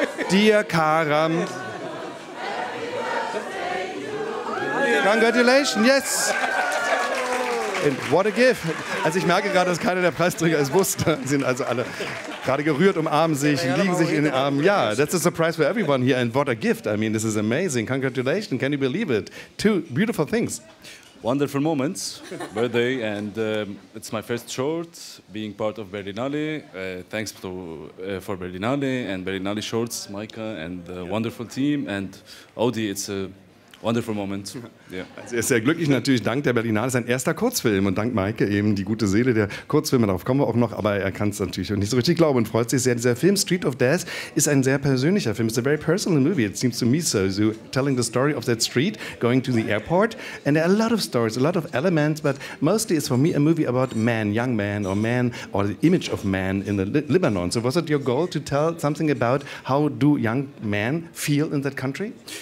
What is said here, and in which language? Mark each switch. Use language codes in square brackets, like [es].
[en] Dear Karam. Congratulations, yes. And what a gift. [de] Also ich merke gerade, dass keiner der Preisträger es wusste. Sie sind also alle gerade gerührt, umarmen sich, liegen sich in den Armen. [en] Ja, that's a surprise for everyone here. And what a gift. I mean, this is amazing. Congratulations. Can you believe it? Two beautiful things. Wonderful moments. Birthday. And it's my first shorts being part of Berlinale. Thanks to, for Berlinale and Berlinale Shorts, Maika and the wonderful team. And Audi, it's a wonderful moment. Yeah. [de] Also er ist sehr glücklich, natürlich dank der Berlinale, sein erster Kurzfilm, und dank Maike eben die gute Seele der Kurzfilme, darauf kommen wir auch noch, aber er kann es natürlich nicht so richtig glauben und freut sich sehr. Dieser Film Street of Death ist ein sehr persönlicher Film, [en] it's a very personal movie, it seems to me so, so telling the story of that street, going to the airport, and there are a lot of stories, a lot of elements, but mostly it's for me a movie about man, young man, or the image of man in the Lebanon. So was it your goal to tell something about how do young men feel in that country?